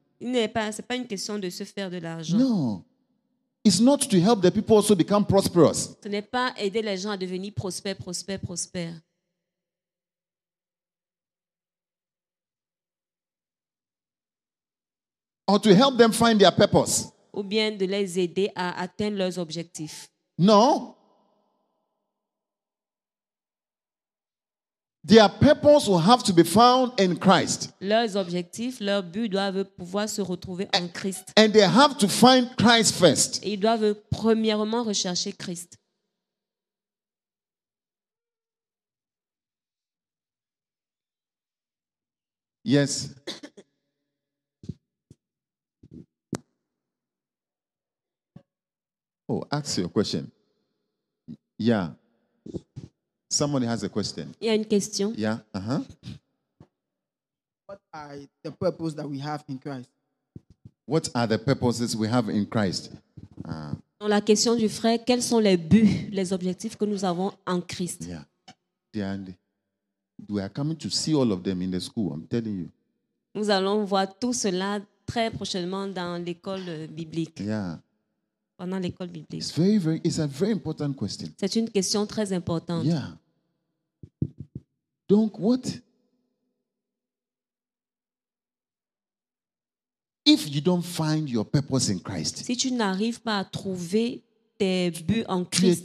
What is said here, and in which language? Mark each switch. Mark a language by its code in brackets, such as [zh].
[fr] C'est pas une question de se faire de l'argent. [en] No. It's not to help the people also become prosperous. [fr] Ce n'est pas aider les gens à devenir prospères, prospères, prospères. [en] Or to help them find their purpose. [fr] Ou bien de les aider à atteindre leurs objectifs. [en] No. Their purpose will have to be found in Christ. [fr] Leurs objectifs, leurs buts doivent pouvoir se retrouver en Christ. [en] And they have to find Christ first. [fr] Ils doivent premièrement rechercher Christ. [en] Yes. Oh, ask your question. Yeah. Somebody has a question. [fr] Il y a une question. [en] Yeah. What are the purposes that we have in Christ? What are the purposes we have in Christ? [fr] Dans la question du frère, quels sont les buts, les objectifs que nous avons en Christ? [en] Yeah. And we are coming to see all of them in the school. I'm telling you. [fr] Nous allons voir tout cela très prochainement dans l'école biblique. [en] Yeah. [fr] Pendant l'école biblique. [en] It's very, very, it's a very important question. [fr] C'est une question très importante. [en] Yeah. Donc, what? If you don't find your purpose in Christ, [fr] si tu n'arrives pas à trouver tes buts en Christ,